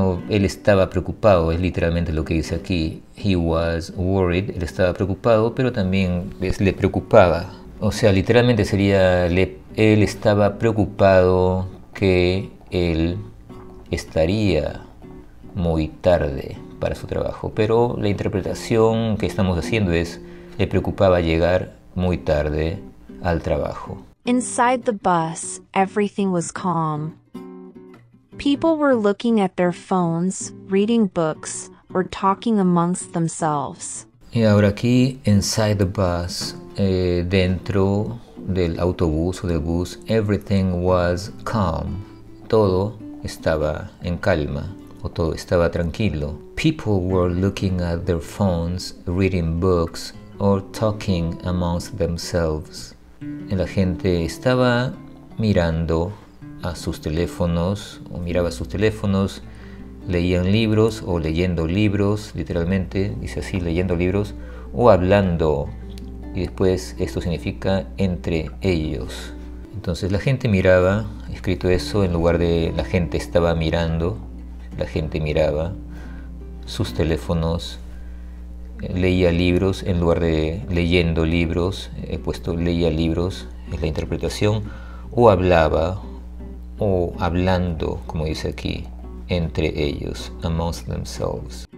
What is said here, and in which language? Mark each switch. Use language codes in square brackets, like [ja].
[es] él estaba preocupado, es literalmente lo que dice aquí, [en] he was worried, [es] él estaba preocupado, pero también es, le preocupaba, o sea, literalmente sería, él estaba preocupado que él estaría muy tarde para su trabajo, pero la interpretación que estamos haciendo es, le preocupaba llegar muy tarde al trabajo. [en] Inside the bus, everything was calm. People were looking at their phones, reading books, or talking amongst themselves. [es] Y ahora aquí, [en] inside the bus, [es] dentro del autobús o del bus, [en] everything was calm. [es] Todo estaba en calma, o todo estaba tranquilo. [en] People were looking at their phones, reading books, or talking amongst themselves. [es] Y la gente estaba mirando a sus teléfonos, o miraba sus teléfonos, leían libros o leyendo libros, literalmente, dice así, leyendo libros, o hablando. Y después esto significa entre ellos. Entonces la gente miraba, escrito eso, en lugar de la gente estaba mirando, la gente miraba sus teléfonos, leía libros, en lugar de leyendo libros, he puesto leía libros, es la interpretación, o hablaba, o hablando, como dice aquí, entre ellos, [en] amongst themselves.